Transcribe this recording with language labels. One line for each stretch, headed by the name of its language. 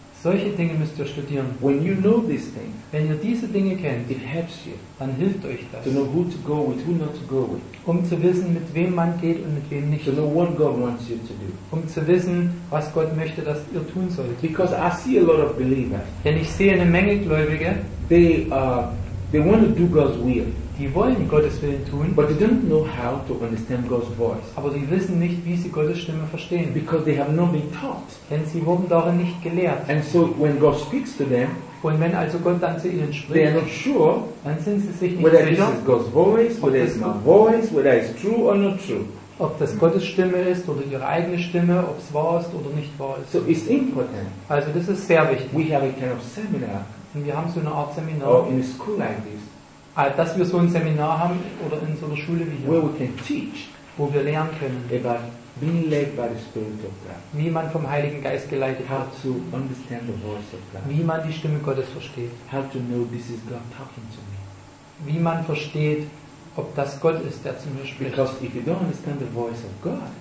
German: Solche Dinge müsst ihr studieren.
English: When you know these things,
German: wenn ihr diese Dinge kennt,
English: it helps you.
German: Dann hilft euch das.
English: To know who to go with, who not to go with.
German: Um zu wissen, mit wem man geht und mit wem nicht.
English: To know what God wants you to do.
German: Um zu wissen, was Gott möchte, dass ihr tun sollt.
English: Because I see a lot of believers.
German: Denn ich sehe eine Menge Gläubige.
English: They want to do God's will.
German: Die wollen Gottes Willen tun,
English: but they don't know how to understand God's voice.
German: Aber sie wissen nicht, wie sie Gottes Stimme verstehen.
English: Because they have not been taught.
German: Denn sie wurden darin nicht gelehrt.
English: And so when God speaks to them,
German: und wenn also Gott dann zu ihnen spricht,
English: they are not sure,
German: dann sind sie sich nicht sicher,
English: whether this is God's voice, whether it's my voice, whether it's true or not true.
German: Ob das Gottes Stimme ist oder ihre eigene Stimme, ob es wahr ist oder nicht wahr ist.
English: So it's important.
German: Also das ist sehr wichtig.
English: We have a kind of seminar.
German: Und wir haben so eine Art Seminar.
English: Or in a school like this.
German: Dass wir so ein Seminar haben oder in so einer Schule wie hier,
English: where we can teach,
German: wo wir lernen können,
English: about being led by the Spirit of God,
German: wie man vom Heiligen Geist geleitet wird,
English: to understand the voice of God,
German: wie man die Stimme Gottes versteht,
English: how to know this is God talking to me,
German: wie man versteht, ob das Gott ist, der zu mir spricht.
English: Because if you don't understand the voice of God,